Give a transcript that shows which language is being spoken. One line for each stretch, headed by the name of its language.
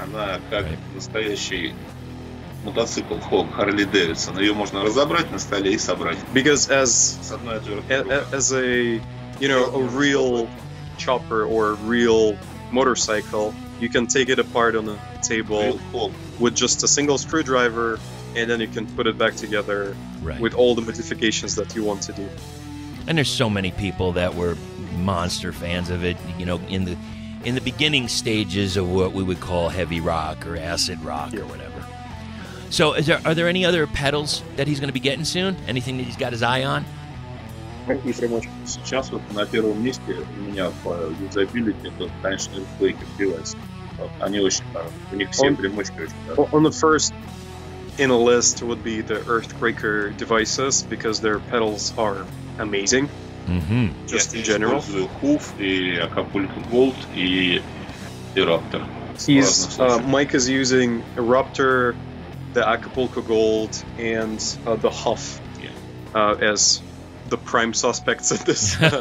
Russian: Она как настоящий мотоцикл Хог Харли Дэвидсон, ее можно разобрать на столе и собрать.
English: Because as a you know a real chopper or a real motorcycle, you can take it apart on the table with just a single screwdriver, and then you can put it back together with all the modifications that you want to do. And there's so many people that were monster fans of it, you know, in the beginning stages of what we would call heavy rock or acid rock or whatever. So, are there any other pedals that he's going to be getting soon? Anything that he's got his eye on?
Russian: Сейчас вот на первом месте у меня по юзабилити это, конечно, Earthquaker девайс. Они очень хорошие. У них все примочки очень хорошие.
English: On the first in the list would be the Earthquaker devices because their pedals are amazing. Mm-hmm. Just in general.
Russian: Я использую Hoof и Acapulco Gold и Raptor.
English: He's Mike is using Eruptor, the Acapulco Gold, and the Huff as the prime suspects of this.